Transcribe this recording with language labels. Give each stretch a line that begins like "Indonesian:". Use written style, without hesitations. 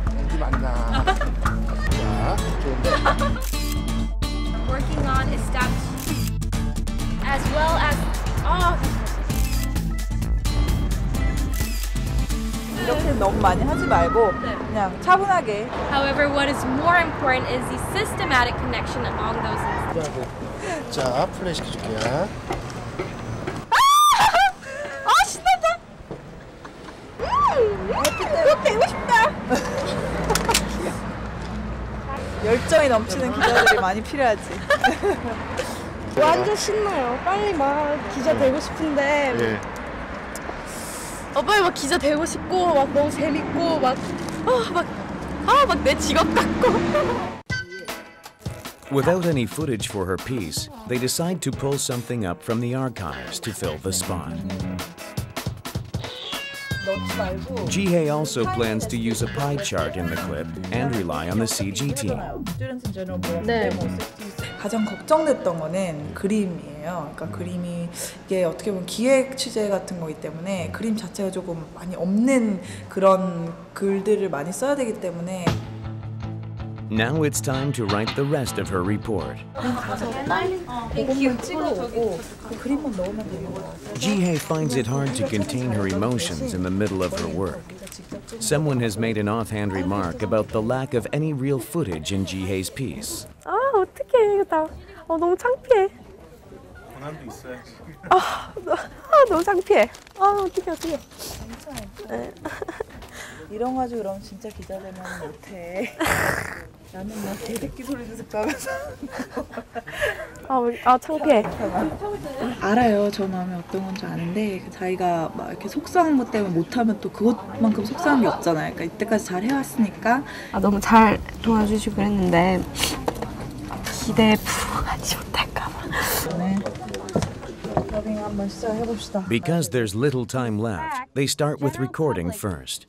Korean: 여기 맞나? 자, 좋은데?
English: Working on establishing as well as... Oh.
Korean: 이렇게 너무 많이 하지 말고 그냥 차분하게.
English: However, what is more important is the systematic connection among those.
Korean: 자, 플래시 켜줄게요. 아, 신난다. 꼭 되고 싶다. 열정이 넘치는 기자들이 많이 필요하지. 완전 신나요. 빨리 막 기자 되고 싶은데. 예. 빨리 막 기자 되고 싶고 막 너무 재밌고 막 내 직업 같고.
English: Without any footage for her piece, they decide to pull something up from the archives to fill the spot. Jihae also plans to use a pie chart in the clip and rely on the CG team.
Korean: 네. 가장 걱정됐던 거는 그림이에요. 그러니까 그림이 이게 어떻게 보면 기획 취재 같은 거기 때문에 그림 자체가 조금 많이 없는 그런 글들을 많이 써야 되기 때문에
English: Now it's time to write the rest of her report. Jihae finds it hard to contain her emotions in the middle of her work. Someone has made an offhand remark about the lack of any real footage in Jihae's piece.
Korean: 아, 어떡해. 이거 다 너무 창피해. 권한도 있어요. 너무 창피해. 어떡해. 괜찮아. 이런 거 가지고 그럼 진짜 기자 되면 못 해. 나는 막 개새끼 소리 듣다가 창피해. 알아요. 저 마음이 어떤 건지 아는데 자기가 막 이렇게 속상한 것 때문에 못하면 또 그것만큼 속상한 게 없잖아요. 그러니까 이때까지 잘 해왔으니까. 너무 잘 도와주시고 그랬는데 기대에 부응하지 못할까 봐.
English: Because there's little time left, they start with recording first.